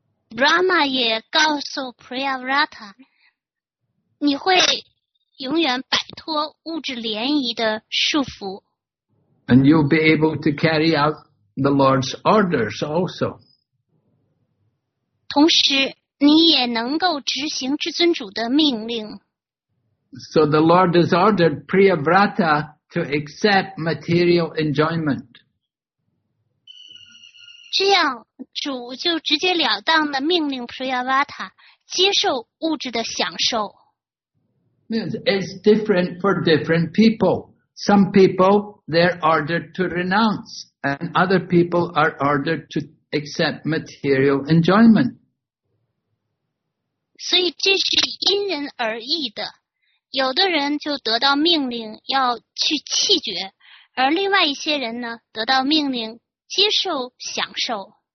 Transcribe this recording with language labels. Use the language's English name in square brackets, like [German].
[Chinese] Brahma 也告诉 Priyavrata, 你会永远摆脱物质涟漪的束缚。 [English] And you'll be able to carry out the Lord's orders also. [Chinese] 同时你也能够执行至尊主的命令。 [English] So the Lord has ordered Priyavrata to accept material enjoyment. [Chinese] 这样主就直接了当地命令 Priyavrata 接受物质的享受。 [English] It's different for different people. Some people, they're ordered to renounce, and other people are ordered to accept material enjoyment. [Chinese] 所以这是因人而异的。有的人就得到命令要去弃绝，而另外一些人呢，得到命令接受享受。